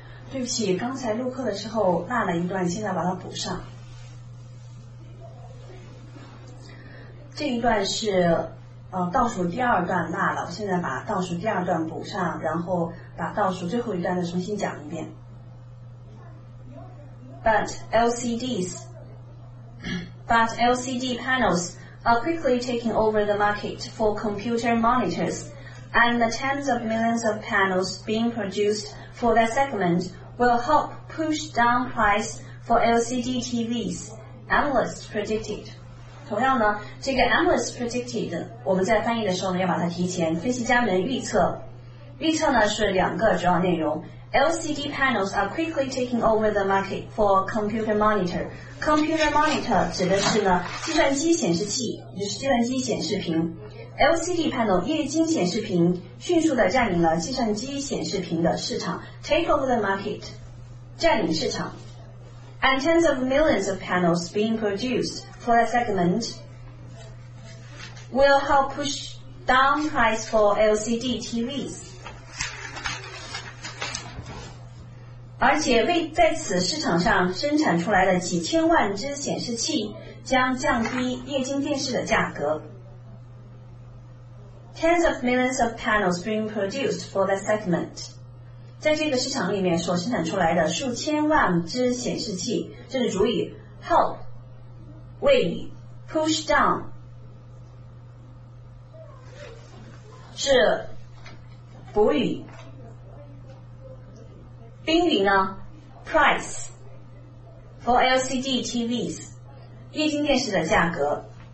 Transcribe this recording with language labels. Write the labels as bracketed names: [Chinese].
[Chinese] 对不起，刚才录课的时候落了一段，现在把它补上。这一段是倒数第二段落了，我现在把倒数第二段补上，然后把倒数最后一段再重新讲一遍。 [English] But LCD panels are quickly taking over the market for computer monitors, and the tens of millions of panels being produced for that segment will help push down price for LCD TVs, analysts predicted. [Chinese] 同样呢，这个 [English] analyst predicted [Chinese] 我们在翻译的时候呢，要把它提前，分析家们预测，预测呢是两个主要内容。 [English] LCD panels are quickly taking over the market for computer monitor. Computer monitor [Chinese] 指的是呢计算机显示器，就是计算机显示屏。 LCD panel 液晶显示屏迅速的占领了计算机显示屏的市场， [English] take over the market， [Chinese] 占领市场。 [English] And tens of millions of panels being produced for that segment will help push down price for LCD TVs, [Chinese] 而且为在此市场上生产出来的几千万只显示器将降低液晶电视的价格。 [English] Tens of millions of panels being produced for that segment， [Chinese] 在这个市场里面所生产出来的数千万只显示器，这是主语 help 为你 [English] push down [Chinese] 是补语，宾语呢 [English] price for LCD TVs [Chinese] 液晶电视的价格。